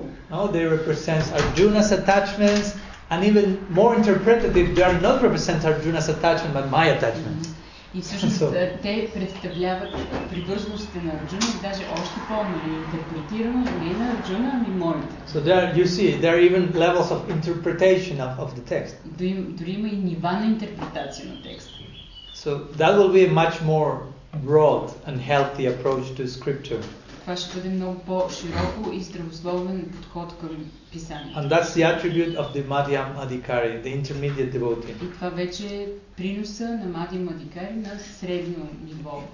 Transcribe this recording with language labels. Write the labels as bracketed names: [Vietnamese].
[English] No, they represent Arjuna's attachments, and even more interpretative, they are not representing Arjuna's attachment, but my attachment. [Bulgarian] И всъщност те представляват привързаността на Арджуна, даже още по-интерпретирано не на Арджуна, ами моите. [English] So there you see, there are even levels of interpretation of the text. [Bulgarian] Дори има и нива на интерпретация на текста. [English] So that will be a much more broad and healthy approach to scripture. [Bulgarian] Това ще бъде много по-широко и здравословен подход към писанието. [English] And that's the attribute of the Madhyam Adhikari, the intermediate devotee. [Bulgarian] И това вече е приноса на Madhyam Adhikari на средно ниво.